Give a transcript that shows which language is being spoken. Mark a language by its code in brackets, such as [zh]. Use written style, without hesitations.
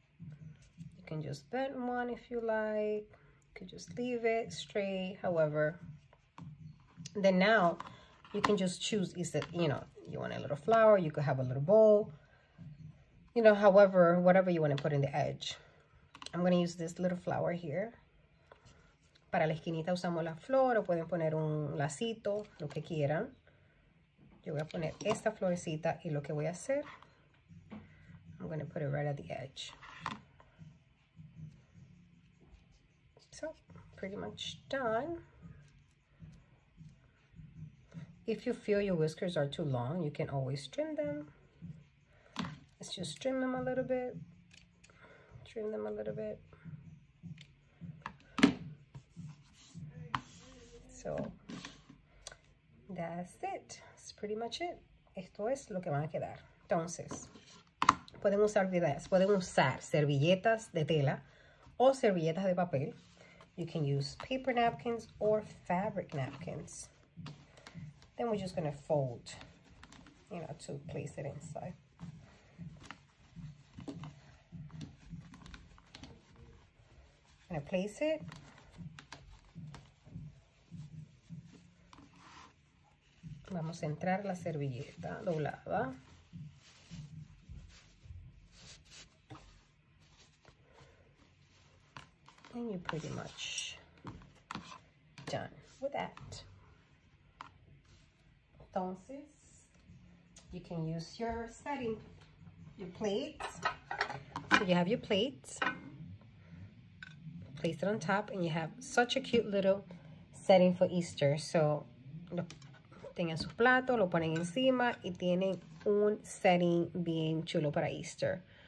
[en] You can just bend one if you like. You could just leave it straight, however. Then now, you can just choose, is it, you know, you want a little flower, you could have a little bowl. You know, however, whatever you want to put in the edge. I'm going to use this little flower here. [es] Para la esquinita usamos la flor o pueden poner un lacito, lo que quieran. Yo voy a poner esta florecita y lo que voy a hacer, [en] I'm going to put it right at the edge. So, pretty much done. If you feel your whiskers are too long, you can always trim them. Let's just trim them a little bit. Trim them a little bit. So, that's it. That's pretty much it. [es] Esto es lo que van a quedar. Entonces, pueden usar servilletas de tela o servilletas de papel. [en] You can use paper napkins or fabric napkins. Then we're just going to fold, you know, to place it inside. I'm going to place it. [es] Vamos a entrar la servilleta doblada. [en] And you're pretty much done with that. Entonces, you can use your setting, your plates. So you have your plates. Place it on top and you have such a cute little setting for Easter. So, look. [es] Tengan sus platos, lo ponen encima y tienen un setting bien chulo para Easter.